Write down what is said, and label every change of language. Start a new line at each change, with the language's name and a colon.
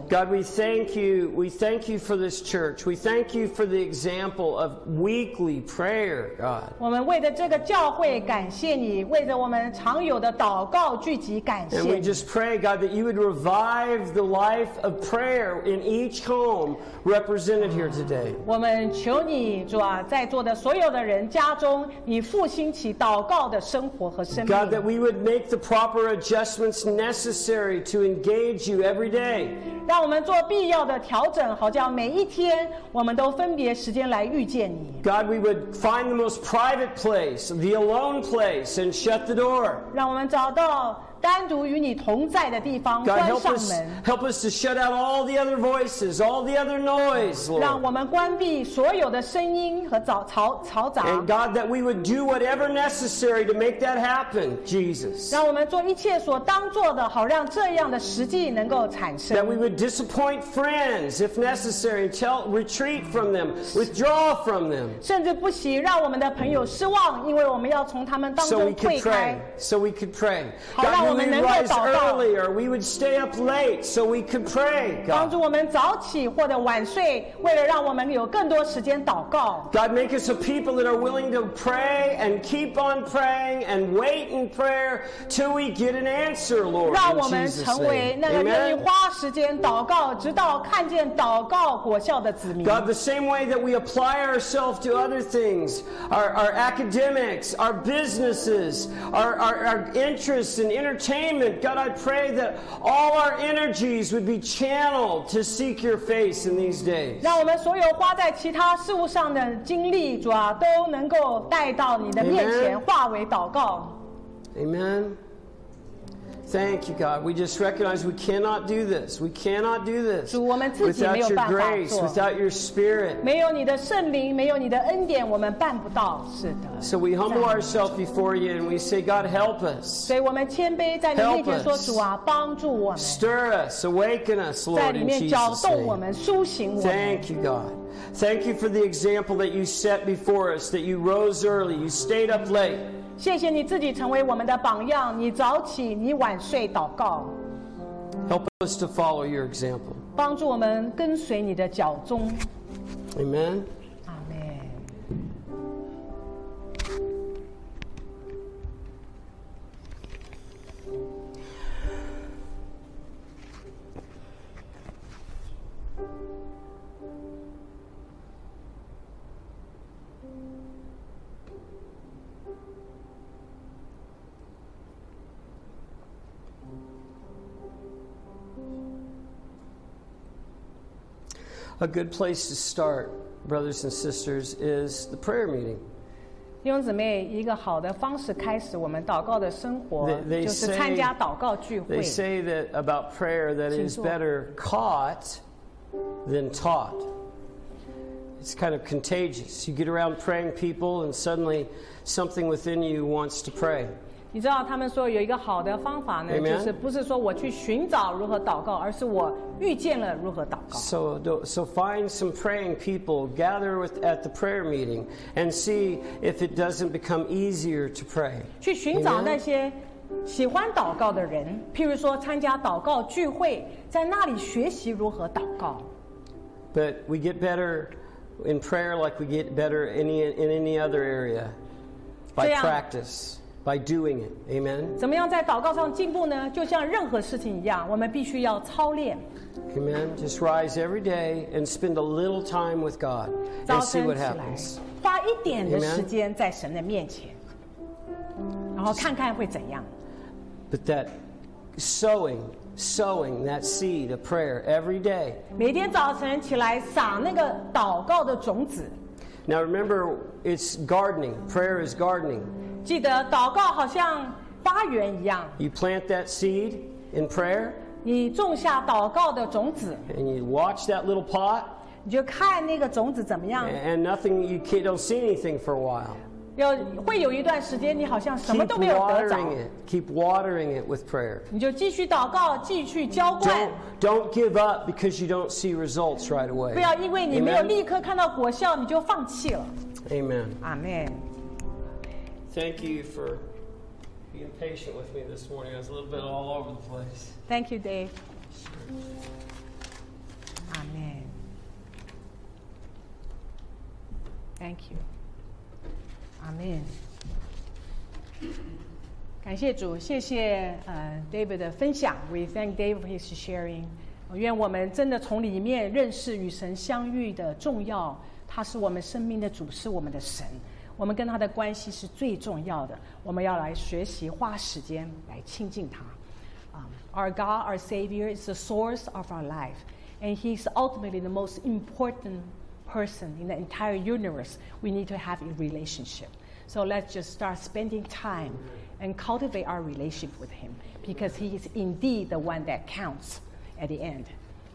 English: God, we thank you. We thank you for this church. We thank you for the example of weekly prayer, God.
Chinese: 我们为着这个教会感谢你，为着我们常有的祷告聚集感谢你。
English: And we just pray, God, that you would revive the life of prayer in each home represented here today.
Chinese: 我们求你，主啊，在座的所有的人家中，你复兴起祷告的生活和生命。
English: God, that we would make the proper adjustments necessary. To engage you every day.
Chinese: 让我们做必要的调整，好叫每一天我们都分别时间来遇见你。
English: God, we would find the most private place, the alone place, and shut the door.
Chinese: 让我们找到单独与你同在的地方，关上门。
English: Help us to shut out all the other voices, all the other noise, Lord.
Chinese: 让我们关闭所有的声音和嘈杂。
English: And God, that we would do whatever necessary to make that happen, Jesus.
Chinese: 让我们做一切所当做的，好让这样的实际能够产生。
English: That we would disappoint friends if necessary, retreat from them, withdraw from them.
Chinese: 甚至不惜让我们的朋友失望，因为我们要从他们当中退开。
English: So we could pray.
Chinese: 好。
English: God, we would rise earlier. We would stay up late so we could pray. God,
Chinese: 帮助我们早起或者晚睡，为了让我们有更多时间祷告。
English: God, make us a people that are willing to pray and keep on praying and wait in prayer till we get an answer, Lord.
Chinese: 让我们成为那个愿意花时间祷告，直到看见祷告果效的子民。
English: God, the same way that we apply ourselves to other things, our academics, our businesses, our interests in entertainment, God, I pray that all our energies would be channeled to seek your face in these days.
Chinese: 让我们所有花在其他事物上的精力，主啊，都能够带到你的面前，化为祷告。
English: Amen. Thank you, God. We just recognize we cannot do this. We cannot do this without your grace, without your spirit.
Chinese: 没有你的圣灵, 没有你的恩典, 我们办不到, 是的,
English: so we humble ourselves before you and we say, God, help us.
Chinese: 所以我们谦卑在你面前说,
English: help us.
Chinese: 主啊, 帮助我们,
English: stir us, awaken us, Lord, in Jesus' name. Thank you, God. Thank you for the example that you set before us, that you rose early, you stayed up late.
Chinese: 谢谢你自己成为我们的榜样, 你早起, 你晚睡祷告。
English: Help us to follow your example.
Chinese: 帮助我们跟随你的脚踪。
English: Amen. Amen. A good place to start, brothers and sisters, is the prayer meeting.
Chinese: 弟兄姊妹, 一个好的方式开始我们祷告的生活,
English: they,
Chinese: 就是参加祷告聚会。
English: They say that about prayer that it is better caught than taught. It's kind of contagious. You get around praying people and suddenly something within you wants to pray.
Chinese: 你知道他们说有一个好的方法呢,
English: Amen?
Chinese: 就是不是说我去寻找如何祷告, 而是我遇见了如何祷告。
English: So find some praying people, gather at the prayer meeting, and see if it doesn't become easier to pray.
Chinese: 去寻找那些喜欢祷告的人, 譬如说参加祷告聚会, 在那里学习如何祷告。
English: But we get better in prayer like we get better in any other area by practice. By doing it, amen.
Chinese: 怎么样在祷告上进步呢? 就像任何事情一样, 我们必须要操练。
English: Amen. Just rise every day and spend a little time with God and see what happens.
Chinese: 花一点的时间在神的面前, 然后看看会怎样。
English: But that sowing that seed of prayer every day.
Chinese: 每天早晨起来撒那个祷告的种子。
English: Now remember, it's gardening. Prayer is gardening.
Chinese: 记得祷告好像发源一样。
English: You plant that seed in prayer.
Chinese: 你种下祷告的种子。
English: And you watch that little pot.
Chinese: 你就看那个种子怎么样。
English: And nothing, you can't, don't see anything for a while.
Chinese: 会有一段时间你好像什么都没有得着。
English: Keep watering it with prayer.
Chinese: 你就继续祷告, 继续浇灌。
English: Don't give up because you don't see results right away.
Chinese: 不要因为你没有立刻看到果效, 你就放弃了。
English: Amen. Amen. Thank you for being patient with me this morning. I was a little bit all over the place. Thank you, Dave. Sure. Amen. Thank you. Amen.
Chinese: 感谢主, 谢谢, David的分享.
English: We thank Dave for his sharing.
Chinese: 愿我们真的从里面认识与神相遇的重要, 祂是我们生命的主, 是我们的神。我们跟他的关系是最重要的，我们要来学习花时间来亲近他。
English: Our God, our Savior, is the source of our life, and He's ultimately the most important person in the entire universe. We need to have a relationship. So let's just start spending time and cultivate our relationship with Him, because He is indeed the one that counts at the end.